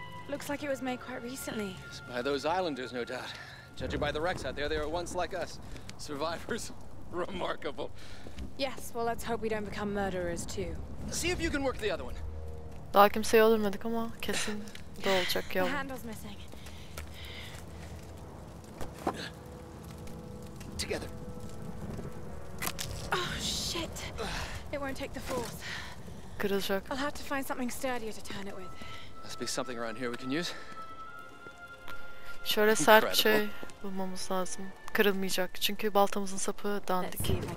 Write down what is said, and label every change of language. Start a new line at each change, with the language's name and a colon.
English: Looks like it was made quite recently. Yes, by those islanders, no doubt. Judging by the wrecks out there, they were once like us, survivors. Remarkable. Yes, well let's hope we don't become murderers too. See if you can work the other one.
Turkish: Daha kimseyi öldürmedik ama kesin de olacak ya.
English: The handle's missing. Together. Oh shit. It won't take the force.
Turkish: Kırılacak.
English: I'll have to find something sturdier to turn it with. Must be something around here we can use.
Turkish: Şöyle sert incredible bir şey bulmamız lazım. Kırılmayacak. Çünkü baltamızın sapı dandik.